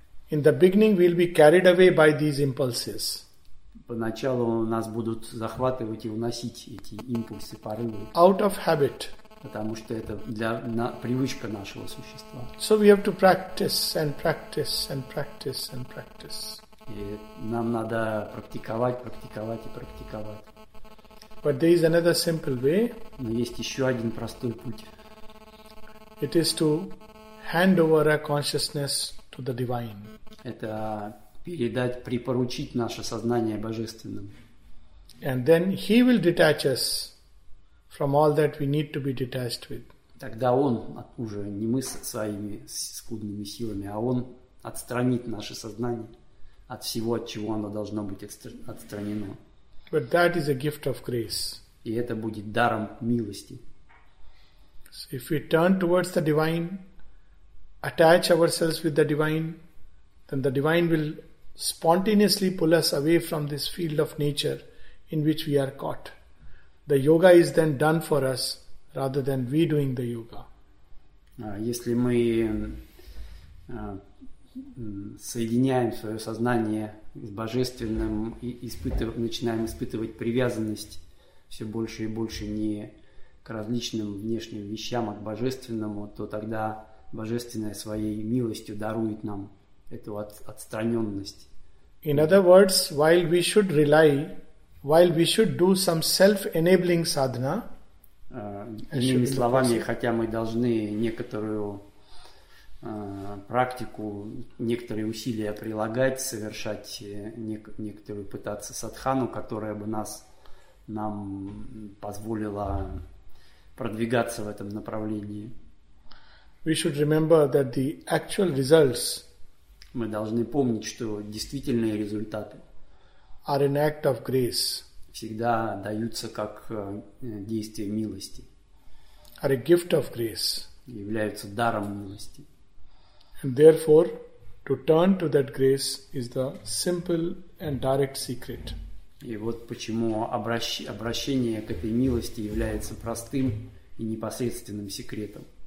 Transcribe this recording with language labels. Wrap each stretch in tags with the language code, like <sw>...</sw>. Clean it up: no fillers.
<en>In the beginning we'll be carried away by these impulses.</en> <ru>Поначалу нас будут захватывать и уносить эти импульсы, порывы.</ru> <en>Out of habit.</en> <ru>Потому что это привычка нашего существа.</ru> <en>So we have to practice and practice and practice and practice.</en> <ru>И нам надо практиковать, практиковать и практиковать.</ru> <en>But there is another simple way.</en> <ru>Но есть еще один простой путь.</ru> <en>It is to hand over our consciousness to the divine.</en> <ru>Это передать, припоручить наше сознание божественному.</ru> <en>And then he will detach us from all that we need to be detached with.</en> <ru>Тогда он, уже не мы со своими скудными силами, а он отстранит наше сознание от всего, от чего оно должно быть отстранено.</ru> <en>But that is a gift of grace.</en> <ru>И это будет даром милости.</ru> <en>So if we turn towards the divine, attach ourselves with the divine, then the divine will spontaneously pull us away from this field of nature in which we are caught. The yoga is then done for us rather than we doing the yoga.</en> <ru>Если мы соединяем свое сознание с божественным и начинаем испытывать привязанность все больше и больше не к различным внешним вещам, а к божественному, то тогда божественная своей милостью дарует нам эту отстраненность.</ru> <en>In other words, while we should rely, while we should do some self-enabling sadhana,</en> <ru>иными словами, хотя мы должны некоторую практику, некоторые усилия прилагать, совершать некоторую, пытаться садхану, которая бы нам позволила продвигаться в этом направлении.</ru> <en>We should remember that the actual results,</en> <ru>мы должны помнить, что действительные результаты,</ru> <en>are an act of grace,</en> <ru>всегда даются как действие милости,</ru> <en>are a gift of grace,</en> <ru>являются даром милости.</ru> <en>And therefore, to turn to that grace is the simple and direct secret.</en> <ru>И вот почему обращение к этой милости является простым и непосредственным секретом.</ru>